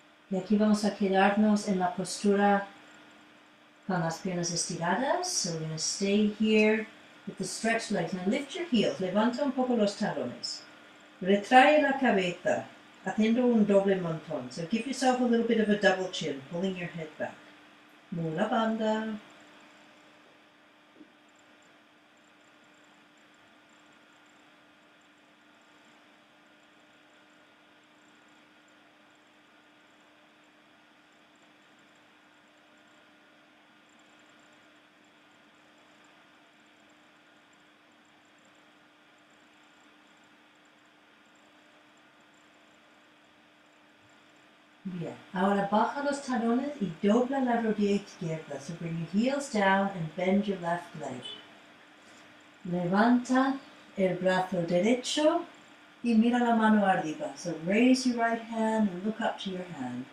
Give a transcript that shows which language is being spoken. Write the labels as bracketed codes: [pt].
[es] Y aquí vamos a quedarnos en la postura con las piernas estiradas. [en] So we're going to stay here with the stretched legs. Now lift your heels. [es] Levanta un poco los talones. Retrae la cabeza. Haciendo un doble montón. [en] So give yourself a little bit of a double chin. Pulling your head back. Mula banda. [es] Bien. Ahora baja los talones y dobla la rodilla izquierda. [en] So bring your heels down and bend your left leg. [es] Levanta el brazo derecho y mira la mano arriba. [en] So raise your right hand and look up to your hand.